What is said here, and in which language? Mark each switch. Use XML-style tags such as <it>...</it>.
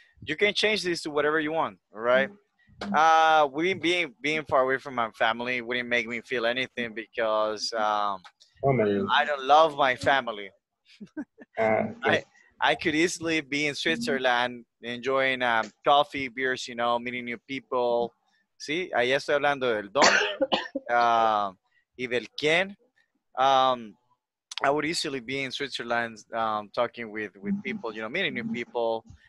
<en>You can change this to whatever you want. All right. Being far away from my family wouldn't make me feel anything because I don't love my family. I could easily be in Switzerland enjoying coffee, beers, you know, meeting new people.</en> <es>¿Sí? Ahí estoy hablando del dónde y del quién.</es> <en>I would easily be in Switzerland talking with people, you know, meeting new people.</en>